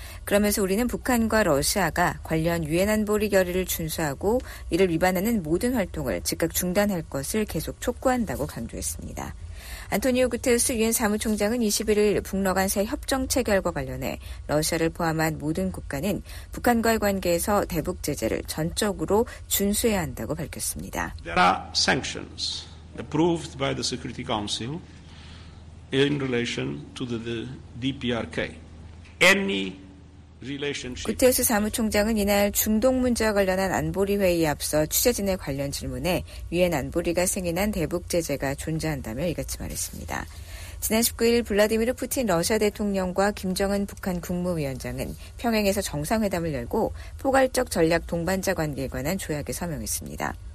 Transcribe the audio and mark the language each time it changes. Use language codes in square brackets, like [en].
[ko] 그러면서 우리는 북한과 러시아가 관련 유엔 안보리 결의를 준수하고 이를 위반하는 모든 활동을 즉각 중단할 것을 계속 촉구한다고 강조했습니다. 안토니오 구테스 유엔 사무총장은 21일 북러 간 새 협정 체결과 관련해 러시아를 포함한 모든 국가는 북한과의 관계에서 대북 제재를 전적으로 준수해야 한다고 밝혔습니다. [en] There are sanctions approved by the Security Council in relation to the DPRK. Any [ko] 구테스 사무총장은 이날 중동 문제와 관련한 안보리 회의에 앞서 취재진의 관련 질문에 유엔 안보리가 승인한 대북 제재가 존재한다며 이같이 말했습니다. 지난 19일 블라디미르 푸틴 러시아 대통령과 김정은 북한 국무위원장은 평양에서 정상회담을 열고 포괄적 전략 동반자 관계에 관한 조약에 서명했습니다.